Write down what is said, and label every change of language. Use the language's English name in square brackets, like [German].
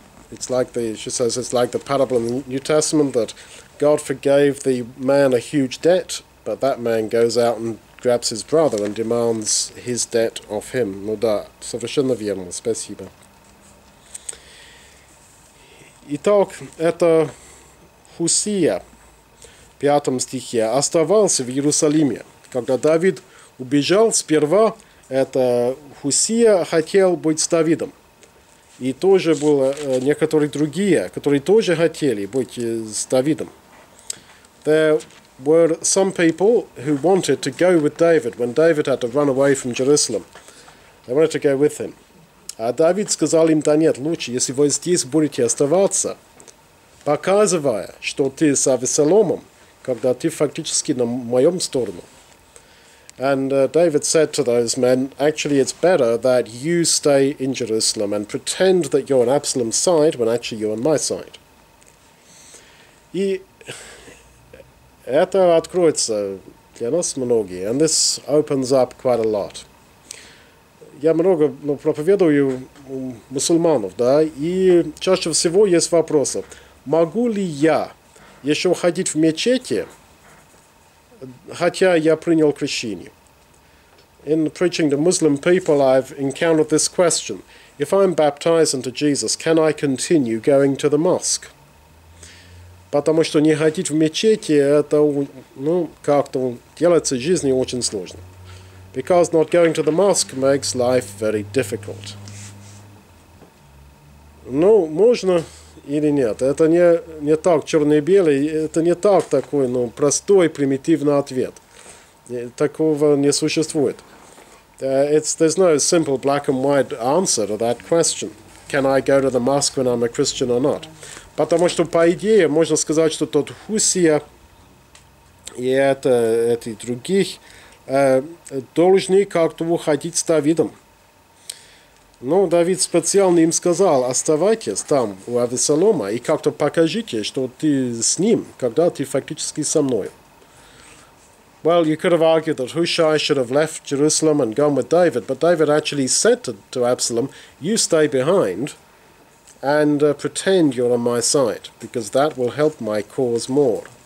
[English] It's like the, she says, it's like the parable in the New Testament that God forgave the man a huge debt, but that man goes out and grabs his brother and demands his debt of him. [Russian] Ну да, совершенно верно, спасибо. Итак, это Хусия, в 5 стихе, оставался в Иерусалиме. Когда Давид убежал, сперва это Хусия хотел быть с Давидом. И тоже было некоторые другие, которые тоже хотели быть с Давидом. [English] There were some people who wanted to go with David when David had to run away from Jerusalem. They wanted to go with him. [Russian] А Давид сказал им, да нет, лучше, если вы здесь будете оставаться, показывая, что ты с Авессаломом, когда ты фактически на моем сторону. [English] And David said to those men, actually it's better that you stay in Jerusalem and pretend that you're on Absalom's side when actually you're on my side. [Russian] И это откроется для нас многие, [English] and this opens up quite a lot. [Russian] Я много, ну, проповедую мусульманов, да, и чаще всего есть вопросы. Могу ли я еще ходить в мечети, хотя я принял крещение? [English] In preaching to Muslim people, I've encountered this question. If I'm baptized into Jesus, can I continue going to the mosque? [Russian] Потому что не ходить в мечети, это, ну, как-то делается жизни очень сложно. [English] Because not going to the mosque makes life very difficult. [Russian] Ну, можно или нет. Это не так черно-белый, это не так такой, ну, простой, примитивный ответ. Такого не существует. [English] There's no simple black and white answer to that question. Can I go to the mosque when I'm a Christian or not? [Russian] Потому что, по идее, можно сказать, что тот Хусия и эти других должны как-то уходить с Давидом. Но Давид специально им сказал, оставайтесь там у Авессалома и как-то покажите, что ты с ним, когда ты фактически со мной. [English] Well, you could have argued that Hushai should have left Jerusalem and gone with David, but David actually said to Absalom, you stay behind and pretend you're on my side, because that will help my cause more.